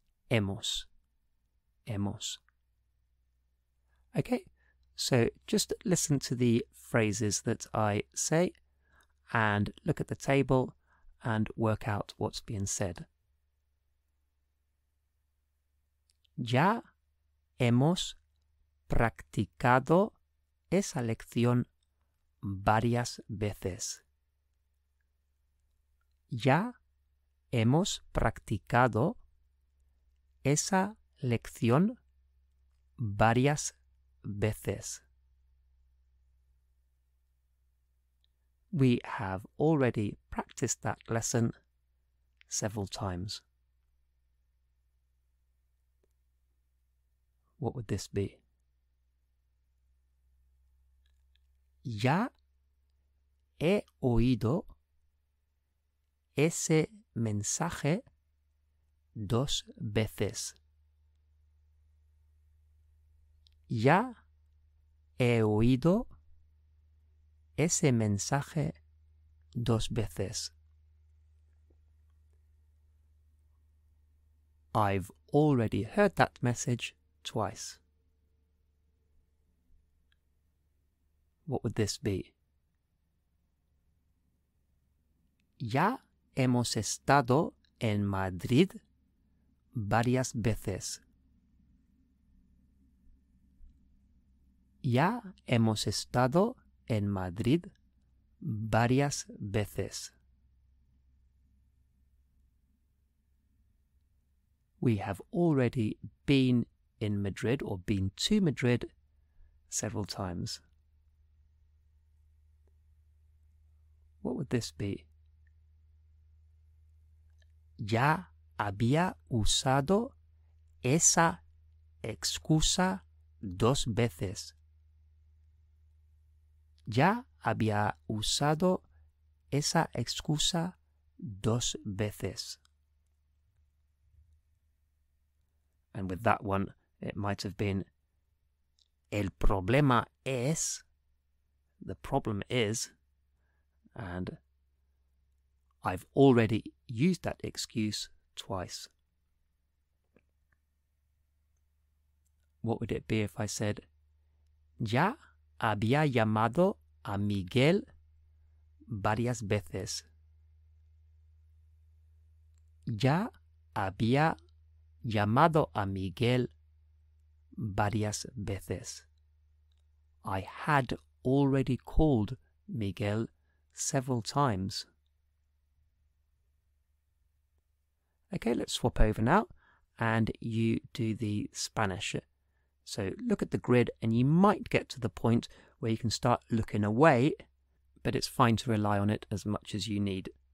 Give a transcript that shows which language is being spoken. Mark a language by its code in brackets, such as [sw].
[es] Hemos. Hemos. [en] Okay, so just listen to the phrases that I say and look at the table and work out what's being said. [es] Ya hemos practicado esa lección varias veces. Ya hemos practicado esa lección varias veces. [en] We have already practiced that lesson several times. What would this be? [es] Ya he oído ese mensaje dos veces. Ya he oído ese mensaje dos veces. [en] I've already heard that message twice. What would this be? [es] Ya hemos estado en Madrid varias veces. Ya hemos estado en Madrid varias veces. [en] We have already been in Madrid or been to Madrid several times. What would this be? [es] Ya había usado esa excusa dos veces. Ya había usado esa excusa dos veces. [en] And with that one, it might have been, [es] el problema es, [en] the problem is, and I've already used that excuse twice. What would it be if I said, [es] ya había llamado a Miguel varias veces? Ya había llamado a Miguel varias veces. [en] I had already called Miguel several times. Okay, let's swap over now and you do the Spanish. So look at the grid and you might get to the point where you can start looking away, but it's fine to rely on it as much as you need.